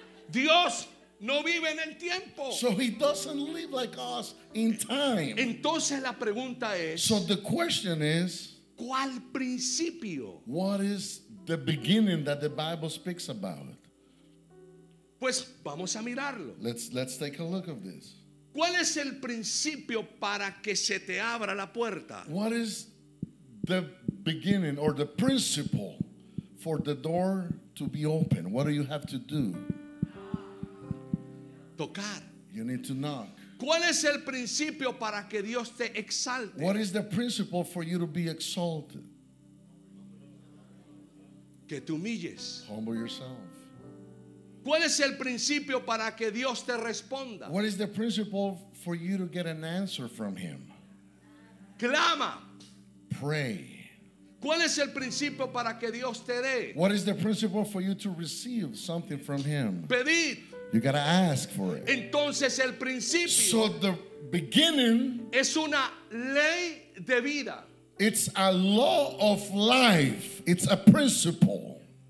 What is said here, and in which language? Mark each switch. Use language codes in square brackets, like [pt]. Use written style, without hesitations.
[es] Dios. No vive en el tiempo. [en] So he doesn't live like us in time. [es] Entonces la pregunta es, [en] so the question is, [es] ¿cuál principio? [en] What is the beginning that the Bible speaks about? [es] Pues vamos a mirarlo. [en] Let's take a look at this. [es] ¿Cuál es el principio para que se te abra la puerta? [en] What is the beginning or the principle for the door to be open? What do you have to do? [es] Tocar. [en] You need to knock. [es] ¿Cuál es el principio para que Dios te exalte? [en] What is the principle for you to be exalted? [es] Que te humilles. [en] Humble yourself. [es] ¿Cuál es el principio para que Dios te responda? [en] What is the principle for you to get an answer from him? [es] Clama. [en] Pray. [es] ¿Cuál es el principio para que Dios te dé? [en] What is the principle for you to receive something from him? [es] Pedir. [en] You gotta ask for it. [es] Entonces, el principio, [en] so the beginning [es] es una ley de vida. [en] It's a law of life. It's a principle.